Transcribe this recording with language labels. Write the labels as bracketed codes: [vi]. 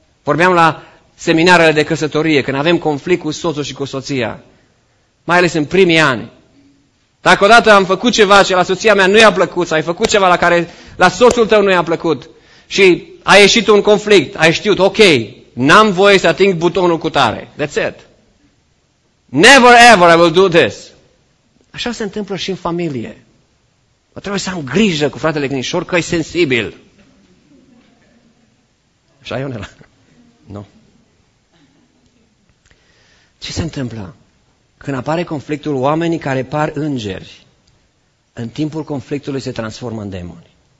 [ro] Vorbeam la seminarele de căsătorie, când avem conflict cu soțul și cu soția, mai ales în primii ani. Dacă odată am făcut ceva ce la soția mea nu i-a plăcut, sau ai făcut ceva la care la soțul tău nu i-a plăcut și a ieșit un conflict, ai știut, ok, n-am voie să ating butonul cu tare. [en] That's it. Never ever I will do this. [ro] Așa se întâmplă și în familie. Mă trebuie să am grijă cu fratele Gnișor că e sensibil. Așa, Ionela? Nu. Ce se întâmplă? Când apare conflictul, oamenii care par îngeri, în timpul conflictului se transformă în demoni.